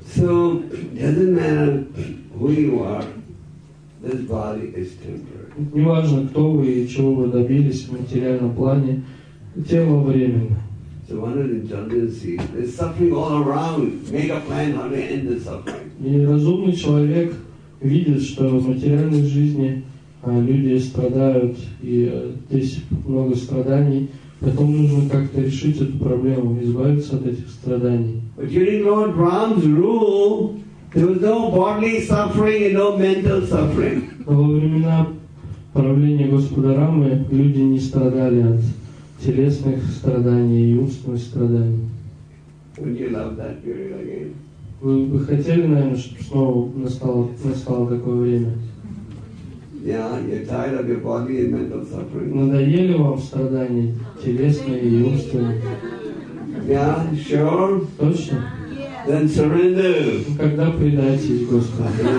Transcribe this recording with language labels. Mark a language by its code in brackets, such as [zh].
[en] So, doesn't matter who you are, this body is temporary. [ru] Неважно, кто вы и чего вы добились в материальном плане, тело временно. [en] So one of the tendencies, there's suffering all around. Make a plan how to end the suffering. [ru] И разумный человек видит, что в материальной жизни люди страдают и здесь много страданий. Потом нужно как-то решить эту проблему, избавиться от этих страданий. [en] But during Lord Brahm's rule, there was no bodily suffering and no mental suffering. [ru] Во времена правления Господа Рамы люди не страдали от телесных страданий и умственных страданий. [en] Would you love that period again? [ru] Вы бы хотели, наверное, чтобы снова настало такое время? [en] Yeah, you're tired of your body and mental suffering. [ru] Надоели вам страдания телесные и умственные? [en] Yeah, sure. [ru] Точно? [en] Then surrender. [ru] Когда предайтесь Господу.